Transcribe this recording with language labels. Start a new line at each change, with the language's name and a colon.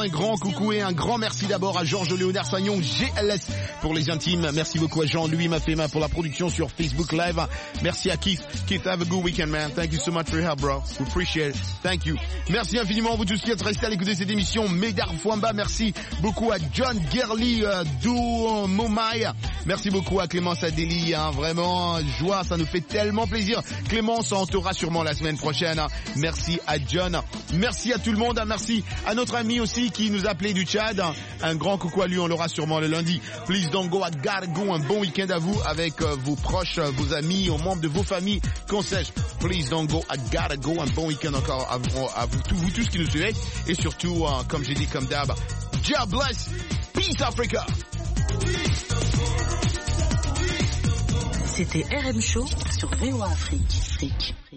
French: Un grand coucou et un grand merci d'abord à Georges Léonard Sagnon, GLS, pour les intimes. Merci beaucoup à Jean-Louis Mafema pour la production sur Facebook Live. Merci à Keith.
English: Keith, have a good weekend, man. Thank you so much for your help, bro. We appreciate it. Thank you.
French: Merci infiniment à vous tous qui êtes restés à l'écoute de cette émission. Médar Fouamba, merci beaucoup à John Gerly, Momai. Merci beaucoup à Clémence Adeli, hein. Vraiment, joie, ça nous fait tellement plaisir. Clémence, on t'aura sûrement la semaine prochaine. Merci à John. Merci à tout le monde. Merci à notre ami aussi qui nous a appelé du Tchad. Un grand coucou à lui, on l'aura sûrement le lundi.
English: Please don't go at Gargo.
French: Un bon week-end à vous avec vos proches, vos amis, aux membres de vos familles. Qu'on sache,
English: please don't go at Gargo.
French: Un bon week-end encore à vous, tous, vous tous qui nous suivez. Et surtout, comme j'ai dit, comme d'hab,
English: God bless. Peace Africa.
French: C'était RM Show sur VOA Afrique.